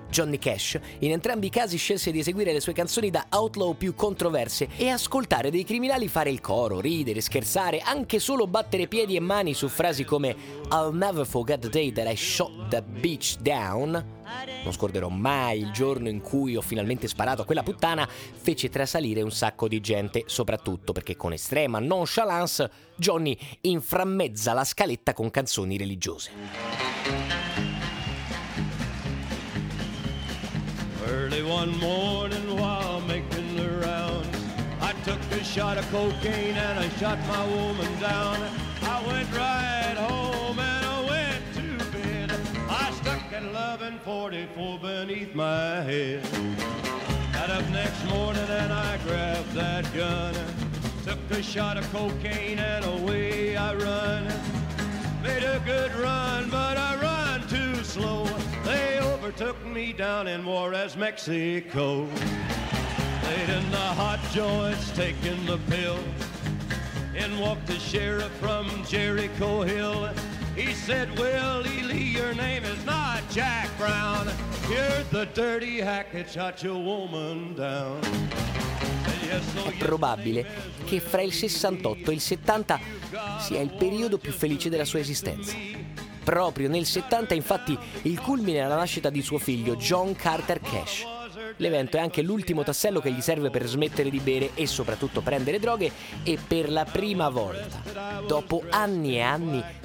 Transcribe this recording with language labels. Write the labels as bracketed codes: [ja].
[it] Johnny Cash, in entrambi i casi, scelse di eseguire le sue canzoni da outlaw più controverse e ascoltare dei criminali fare il coro, ridere, scherzare, anche solo battere piedi e mani su frasi come [en] I'll never forget the day that I shot the bitch down. [it] Non scorderò mai il giorno in cui ho finalmente sparato a quella puttana, fece trasalire un sacco di gente, soprattutto perché con estrema nonchalance Johnny inframmezza la scaletta con canzoni religiose. [en] Early one morning while making the rounds, I took a shot of cocaine and I shot my woman down. I went right home and I went to bed. I stuck that loving 44 beneath my head. Got up next morning and I grabbed that gun, took a shot of cocaine and away I run. Made a good run, but I run too slow. They overtook me down in Juarez, Mexico. Laid in the hot joints, taking the pill. In walked the sheriff from Jericho Hill. He said, Willie Lee, your name is not Jack Brown. You're the dirty hack that shot your woman down. [it] È probabile che fra il 68 e il 70 sia il periodo più felice della sua esistenza. Proprio nel 70, infatti, il culmine è la nascita di suo figlio John Carter Cash. L'evento è anche l'ultimo tassello che gli serve per smettere di bere e soprattutto prendere droghe e per la prima volta, dopo anni e anni,